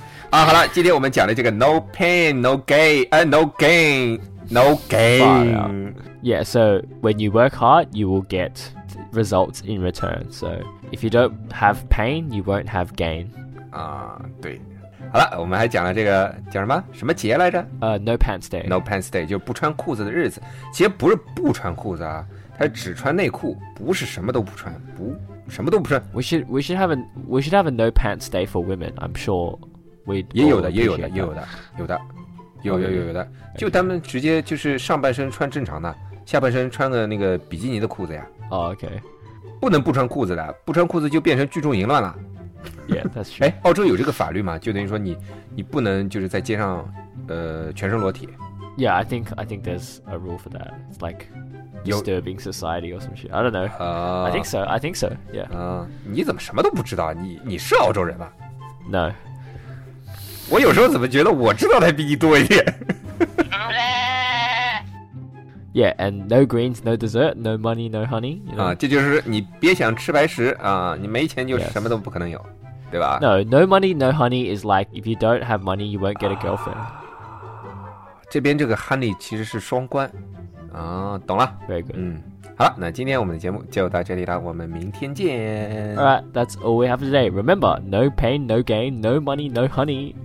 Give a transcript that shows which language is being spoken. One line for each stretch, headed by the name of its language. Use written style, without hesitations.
Chinese: 好了，今天我们讲的这个
English: no pain, no gain, no gain. No gain. Yeah, so when you work hard, you will get results in return. So if you don't have pain, you won't have gain.
Chinese: 对。好了，我们还讲了这个叫什么什么节来着？
English: No pants day.
Chinese: No pants day 就不穿裤子的日子。其实不是不穿裤子啊，他只穿内裤，不是什么都不穿，不什么都不穿。
English: We should have a no pants day for women. I'm sure we
Chinese: 也有的，也有的，也有的，有的。有的、
English: okay.
Chinese: 就他们直接就是上半身穿正常的，下半身穿个那个比基尼的裤子呀。
English: Oh, OK，
Chinese: 不能不穿裤子的，不穿裤子就变成聚众淫乱了。
English: Yeah, that's true.
Chinese: 澳洲有这个法律吗？就等于说你不能就是在街上，全身裸体。
English: Yeah, I think there's a rule for that. It's like disturbing society or some shit. I don't know. I think so. Yeah.
Chinese: 你怎么什么都不知道？你是澳洲人吗
English: ？No.
Chinese: 我有时候怎么觉得我知道的比你多一点
English: Yeah, and no greens, no dessert, no money, no honey. You know?
Chinese: 这就是你别想吃白食啊！你没钱就什么都不可能有，
English: yes.
Chinese: 对吧
English: ？No, no money, no honey is like if you don't have money, you won't get a girlfriend.
Chinese: 这边这个 honey 其实是双关啊，懂了。
English: Very good.
Chinese: 好了，那今天我们的节目就到这里了，我们明天见。
English: Alright, that's all we have today. Remember, no pain, no gain, no money, no honey.